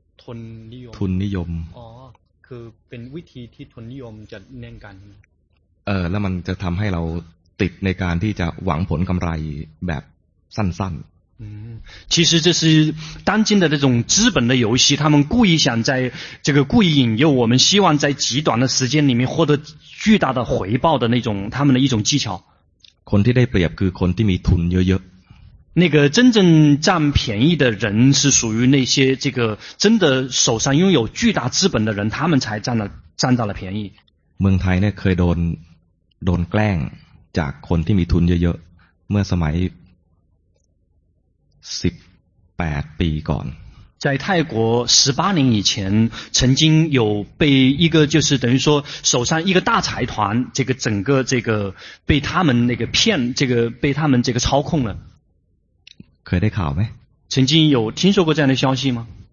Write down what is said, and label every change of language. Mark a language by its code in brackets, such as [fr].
[th] อ๋อคือเป็นวิธีที่ทุนนิยมจะเน้นกัน แล้วมันจะทำให้เราติดในการที่จะหวังผลกำไรแบบสั้นๆ [zh] 其实这是当今的这种资本的游戏，他们故意想在这个故意引诱我们，希望在极短的时间里面获得巨大的回报的那种他们的一种技巧。 [th] คนที่ได้เปรียบคือคนที่มีทุนเยอะ [zh] ๆ那个真正占便宜的人是属于那些这个真的手上拥有巨大资本的人，他们才占到了便宜。 [th] เมืองไทยเนี่ยเคยโดนแกล้งจากคนที่มีทุนเยอะๆเมื่อสมัย18ปีก่อน [zh] 在泰国18年以前曾经有被一个就是等于说手上一个大财团这个整个这个被他们那个骗这个被他们这个操控了 [th] เคยได้ข่าวไหม [zh] 曾经有听说过这样的消息吗